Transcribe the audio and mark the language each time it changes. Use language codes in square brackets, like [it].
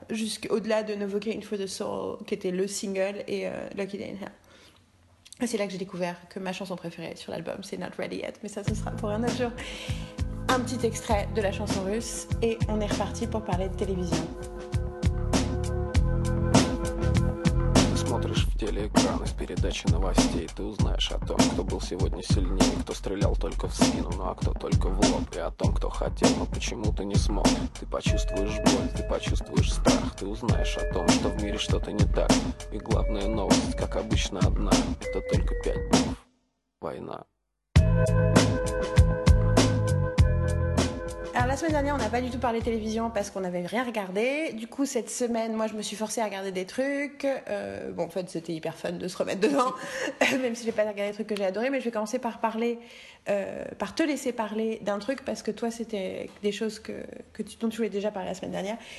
[fr] Jusqu'au-delà de Novocaine for the Soul, qui était le single, et Lucky Day in Hell. C'est là que j'ai découvert que ma chanson préférée sur l'album, c'est Not Ready Yet, mais ça, ce sera pour un autre jour. Un petit extrait de la chanson russe et on est reparti pour parler de télévision. [ru] Смотришь в телеэкран из передачи новостей, ты узнаешь о том, кто был сегодня сильнее, кто стрелял только в спину, ну а кто только в лоб, и о том, кто хотел, но почему-то не смог. Ты почувствуешь боль, ты почувствуешь страх, ты узнаешь о том, что в мире что-то не так. И главная новость, как обычно, одна, это только 5 дней. Война. [fr] Alors la semaine dernière, on n'a pas du tout parlé télévision parce qu'on n'avait rien regardé. Du coup, cette semaine, moi, je me suis forcée à regarder des trucs. Bon, en fait, c'était hyper fun de se remettre dedans, même si je n'ai pas regardé des trucs que j'ai adorés. Mais je vais commencer par te laisser parler d'un truc parce que toi, c'était des choses dont tu voulais déjà parler la semaine dernière.